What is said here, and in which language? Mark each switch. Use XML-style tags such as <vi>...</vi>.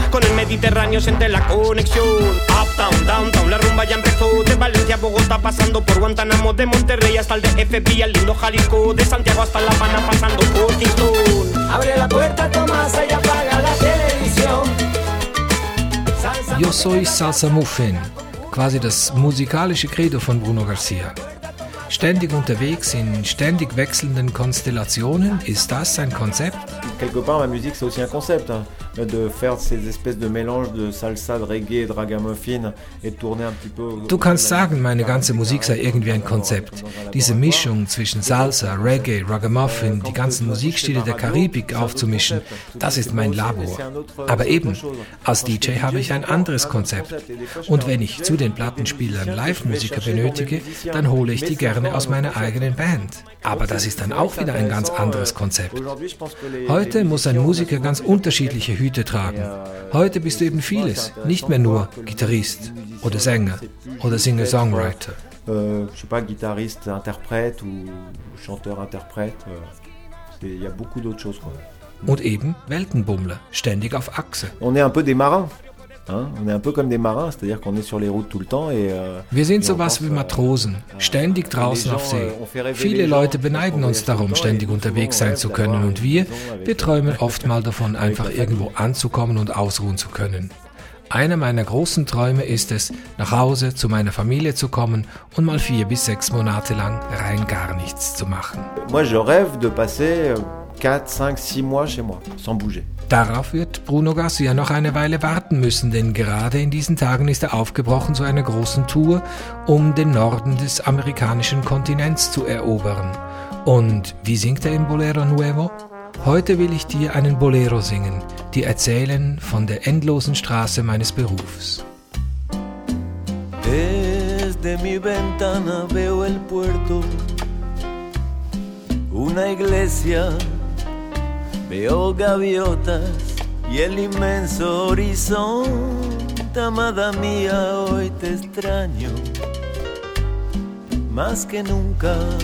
<es>Con el Mediterráneo siente la conexión. Uptown, downtown, la rumba ya empezó. De Valencia a Bogotá pasando por Guantánamo. De Monterrey hasta el DF, vía el lindo Jalisco. De Santiago hasta La Habana pasando por Kingston. Abre la puerta, Tomás, y apaga la televisión. Yo soy Salsa Muffin,</es> <de>quasi das musikalische Credo von Bruno Garcia. Ständig unterwegs in ständig wechselnden Konstellationen, ist das ein Konzept?</de> <fr>Quelque part, ma musique, c'est aussi un concept. De faire ces espèces de mélange de salsa, de reggae, de ragamuffin et tourner un petit peu.</fr> <de>Du kannst sagen, meine ganze Musik sei irgendwie ein Konzept. Diese Mischung zwischen Salsa, Reggae, Ragamuffin, die ganzen Musikstile der Karibik aufzumischen, das ist mein Labor. Aber eben, als DJ habe ich ein anderes Konzept. Und wenn ich zu den Plattenspielern Live-Musiker benötige, dann hole ich die gerne aus meiner eigenen Band. Aber das ist dann auch wieder ein ganz anderes Konzept. Heute muss ein Musiker ganz unterschiedliche Hüte tragen. Heute bist du eben vieles, nicht mehr nur Gitarrist oder Sänger oder Singer-Songwriter.</de> <fr>Je sais pas, guitariste, interprète ou chanteur, interprète. Il y a beaucoup d'autres choses, quoi.</fr> <de>Und eben Weltenbummler, ständig auf Achse.</de> <fr>On est un peu des marins, hein? On est un peu comme des marins, c'est-à-dire qu'on est sur les routes tout le temps et.</fr> <de>Wir sind sowas wie Matrosen, ständig draußen auf See. Viele Leute beneiden uns darum, ständig unterwegs sein zu können, und wir träumen oft mal davon, einfach irgendwo anzukommen und ausruhen zu können. Einer meiner großen Träume ist es, nach Hause zu meiner Familie zu kommen und mal 4 bis 6 Monate lang rein gar nichts zu machen.</de> <fr>Moi, je rêve de passer 4, 5, 6 mois chez moi, sans bouger.</fr> <de>Darauf wird Bruno Garcia noch eine Weile warten müssen, denn gerade in diesen Tagen ist er aufgebrochen zu einer großen Tour, um den Norden des amerikanischen Kontinents zu erobern. Und wie singt er im Bolero Nuevo? Heute will ich dir einen Bolero singen, die erzählen von der endlosen Straße meines Berufs.</de> <es>Desde mi ventana veo el puerto, una iglesia, veo gaviotas y el inmenso horizonte. Amada mía, hoy te extraño más que nunca.</es>